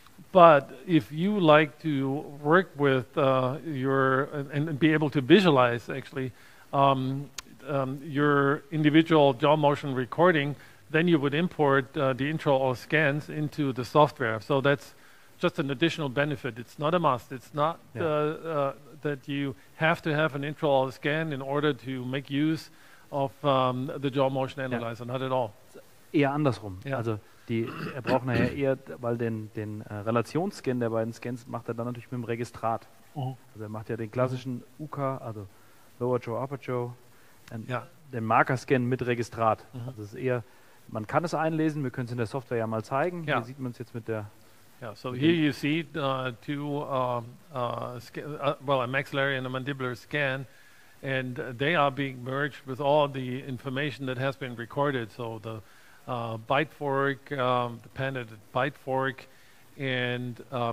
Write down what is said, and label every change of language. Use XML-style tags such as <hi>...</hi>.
<en>But if you like to work with your and be able to visualize actually your individual jaw motion recording, then you would import the intraoral scans into the software. So that's just an additional benefit. It's not a must. It's not that you have to have an intraoral scan in order to make use of the jaw motion analyzer. Yeah. Not at all.</en> <de>Eher andersrum.</de> <en>Yeah.</en> <de>Also er braucht nachher eher, weil den Relationsscan der beiden Scans macht er dann natürlich mit dem Registrat. Oh. Also er macht ja den klassischen UK, also</de> <en>Lower Jaw, Upper Jaw,</en> <de>den Markerscan mit Registrat. Mhm. Also es ist eher, man kann es einlesen, wir können es in der Software ja mal zeigen. Ja. Hier sieht man es jetzt mit der...</de> <en>Ja, so here you see two, well, a maxillary and a mandibular scan, and they are being merged with all the information that has been recorded, so the bite fork, the panted bite fork, and</en>